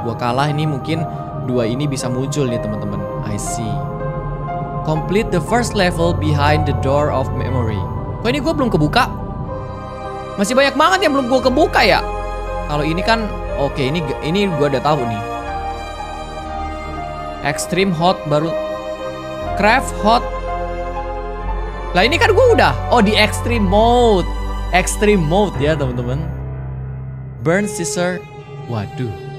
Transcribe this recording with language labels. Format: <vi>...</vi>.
<id>Gue kalah ini mungkin dua ini bisa muncul nih, teman-teman.</id> <en>I see. Complete the first level behind the door of memory.</en> <id>Kok ini gue belum kebuka? Masih banyak banget yang belum gue kebuka ya. Kalau ini kan oke, ini gue udah tahu nih. Extreme hot baru. Craft hot. Lah ini kan gue udah. Oh, di extreme mode. Extreme mode ya, teman-teman. Burn scissor. Waduh.</id>